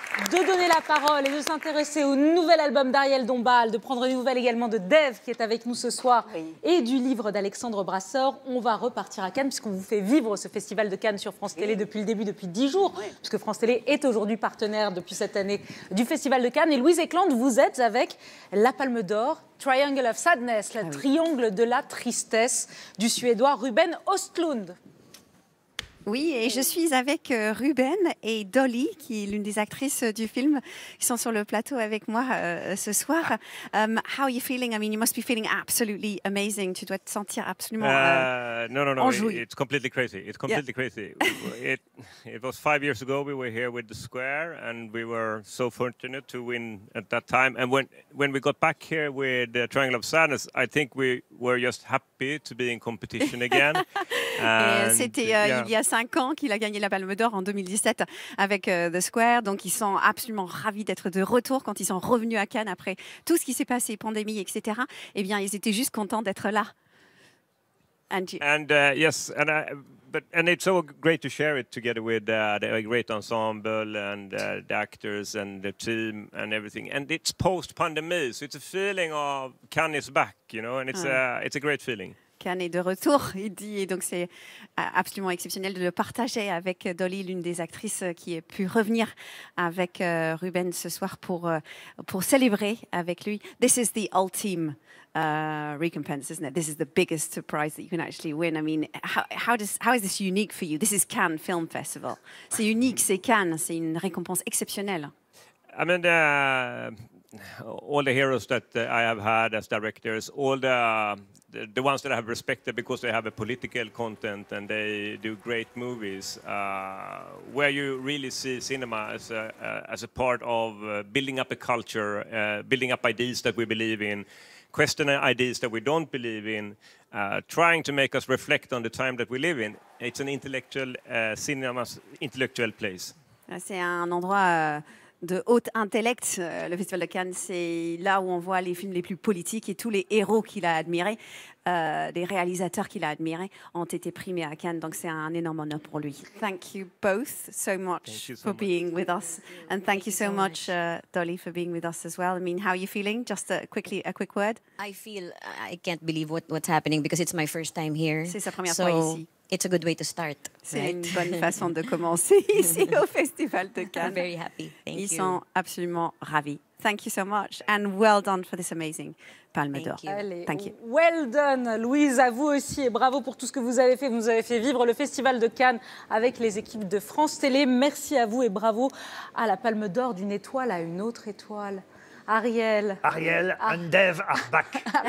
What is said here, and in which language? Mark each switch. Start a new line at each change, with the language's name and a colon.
French: de donner la parole et de s'intéresser au nouvel album d'Ariel Dombal, de prendre des nouvelles également de Dev qui est avec nous ce soir, et du livre d'Alexandre Brasseur, on va repartir à Cannes puisqu'on vous fait vivre ce festival de Cannes sur France Télé depuis le début, depuis 10 jours, puisque France Télé est aujourd'hui partenaire depuis cette année du festival de Cannes. Et Louise Eklund, vous êtes avec La Palme d'Or, Triangle of Sadness, le triangle de la tristesse du Suédois Ruben Östlund. Oui, et je suis avec Ruben et Dolly, qui est l'une des actrices du film, qui sont sur le plateau avec moi ce soir.
English: How are you feeling? I mean, you must be feeling absolutely amazing.
French: Tu dois te sentir absolument
English: No. Enjoui. It's completely crazy. It's completely crazy. It was 5 years ago we were here with the Square, and we were so fortunate to win at that time. And when we got back here with the Triangle of Sadness, I think we were just happy to be in competition again.
French: Et c'était il y a 5 ans qu'il a gagné la Palme d'Or en 2017 avec The Square. Donc, ils sont absolument ravis d'être de retour quand ils sont revenus à Cannes après tout ce qui s'est passé, pandémie, etc. Eh bien, ils étaient juste contents d'être là.
English: And it's so great to share it together with the great ensemble and the actors and the team and everything. And it's post-pandemie, so it's a feeling of Cannes is back, you know, and it's a great feeling.
French: Cannes est de retour, il dit, et donc c'est absolument exceptionnel de le partager avec Dolly, l'une des actrices qui a pu revenir avec Ruben ce soir pour célébrer avec lui.
English: This is the ultimate recompense, isn't it? This is the biggest prize that you can actually win. I mean, how is this unique for you? This is Cannes Film Festival.
French: C'est unique, c'est Cannes, c'est une récompense exceptionnelle.
English: I mean, all the heroes that I have had as directors, all the ones that I have respected because they have a political content and they do great movies, where you really see cinema as a part of building up a culture, building up ideas that we believe in, questioning ideas that we don't believe in, trying to make us reflect on the time that we live in. It's an intellectual cinema's intellectual place.
French: C'est un endroit de haute intellect, le Festival de Cannes, c'est là où on voit les films les plus politiques et tous les héros qu'il a admirés, les réalisateurs qu'il a admirés ont été primés à Cannes, donc c'est un énorme honneur pour lui.
English: Thank you both so much for being with us, and thank you so much, Dolly, for being with us as well. I mean, how are you feeling? Just a quick word. I feel I can't believe what's happening because it's my first time here.
French: C'est sa première fois ici.
English: It's a good way to start.
French: C'est
English: right?
French: Une bonne façon de commencer ici au Festival de Cannes.
English: I'm very happy. Thank
French: Ils
English: you.
French: Sont absolument ravis.
English: Thank you so much and well done for this amazing Palme Thank
French: d'Or.
English: You.
French: Allez,
English: Thank you. Well done,
French: Louise, à vous aussi et bravo pour tout ce que vous avez fait. Vous avez fait vivre le Festival de Cannes avec les équipes de France Télé. Merci à vous et bravo à la Palme d'Or d'une étoile à une autre étoile. Ariel. Andev Arbak.